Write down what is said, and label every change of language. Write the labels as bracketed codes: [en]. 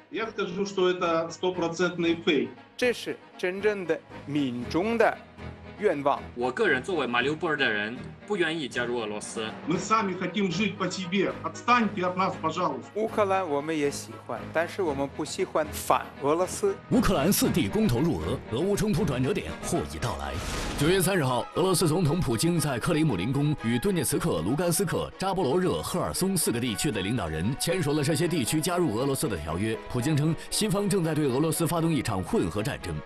[ru] скажу, что это стопроцентный фейк. [zh] 这是真正的民众的愿望。我个人作为马里乌波尔的人，不愿意加入俄罗斯。 [ru] Мы сами хотим жить по себе. Отстаньте от нас, пожалуйста. [zh] 乌克兰我们也喜欢，但是我们不喜欢反俄罗斯。乌克兰四地公投入俄，俄乌冲突转折点或已到来。 9月30号，俄罗斯总统普京在克里姆林宫与顿涅茨克、卢甘斯克、扎波罗热、赫尔松四个地区的领导人签署了这些地区加入俄罗斯的条约。普京称，西方正在对俄罗斯发动一场混合战争，